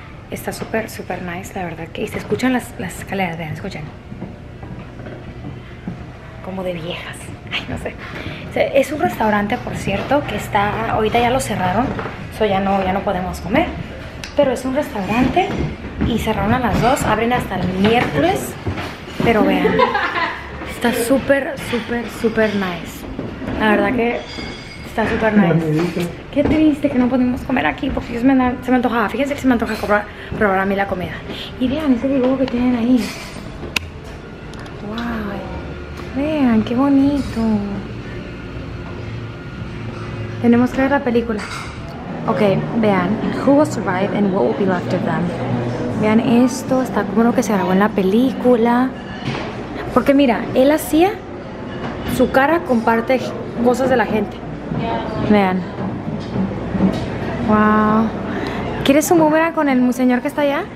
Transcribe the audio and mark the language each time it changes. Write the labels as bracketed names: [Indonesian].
[Spanish] Está súper, súper nice, la verdad. Y se escuchan las escaleras, vean, escuchen. Como de viejas. No sé. Es un restaurante, por cierto, que está, ahorita ya lo cerraron, so ya no podemos comer. Pero es un restaurante y cerraron a las 2, abren hasta el miércoles. Pero vean, está súper, súper, súper nice. La verdad que está súper nice. Qué triste que no podemos comer aquí, porque ellos se me antojaba. Fíjense que se me antoja probar a mí la comida. Y vean ese dibujo que tienen ahí. Vean, qué bonito. Tenemos que ver la película. Ok, vean. [English] Who will survive and what will be left of them? [Spanish] Vean esto, está como lo que se grabó en la película. Porque mira, él hacía su cara con parte cosas de la gente. Vean. Wow. ¿Quieres un boomerang con el señor que está allá?